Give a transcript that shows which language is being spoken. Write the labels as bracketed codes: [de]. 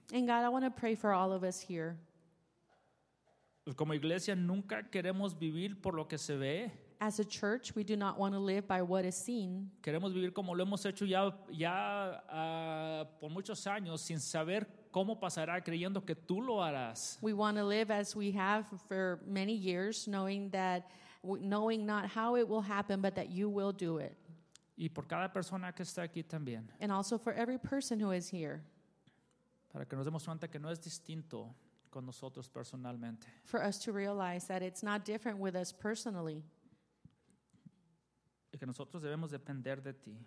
[en] And God, I want to pray for all of us here. [es] Como iglesia nunca queremos vivir por lo que se ve. [en] As a church, we do not want to live by what is seen. [es] Queremos vivir como lo hemos hecho ya por muchos años sin saber cómo pasará, creyendo que tú lo harás. [en] We want to live as we have for many years, knowing not how it will happen, but that you will do it. [es] Y por cada persona que está aquí también. [en] And also for every person who is here. [es] Para que nos demos cuenta que no es distinto con nosotros personalmente. [en] For us to realize that it's not different with us personally. [es] Y que nosotros debemos depender de ti.